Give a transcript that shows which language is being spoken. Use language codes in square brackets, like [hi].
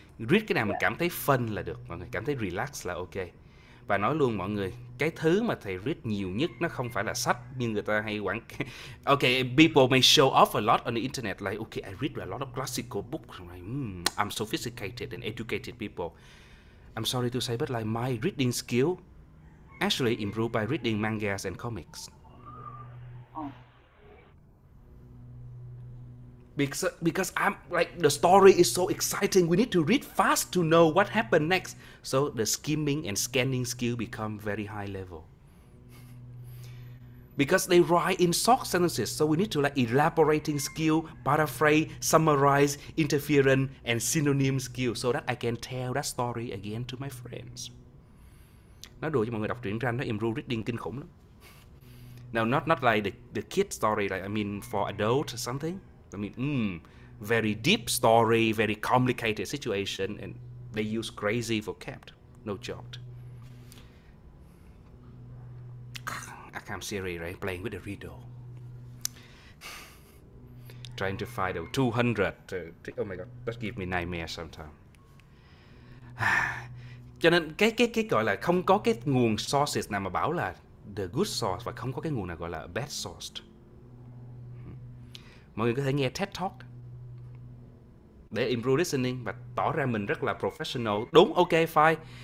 [vi] Read cái nào mình cảm thấy fun là được, mọi người. Cảm thấy relax là okay. Và nói luôn mọi người, cái thứ mà thầy read nhiều nhất nó không phải là sách như người ta hay quảng. [en] Okay, people may show off a lot on the internet, like, okay, I read a lot of classical books, like, I'm sophisticated and educated people. I'm sorry to say, but like, my reading skill actually improved by reading mangas and comics. Because I'm like, the story is so exciting, we need to read fast to know what happened next. So the skimming and scanning skill become very high level. Because they write in short sentences, so we need to like elaborating skill, paraphrase, summarize, interference, and synonym skill so that I can tell that story again to my friends. [vi] Nói đùa cho mọi người đọc truyện tranh nó [en] improve reading [vi] kinh khủng lắm. [en] Now not like the kid story, like, I mean for adults or something. I mean, very deep story, very complicated situation, and they use crazy vocab, no joke. Akam Siri, right, playing with the riddle. Trying to find the 200, oh my god, that gives me nightmare sometimes. [vi] Cho nên cái gọi là không có cái nguồn sources nào mà bảo là [en] the good source, [vi] và không có cái nguồn nào gọi là [en] bad source. [vi] Mọi người có thể nghe TED Talk để [en] improve listening [vi] và tỏ ra mình rất là professional. Đúng, ok, fine.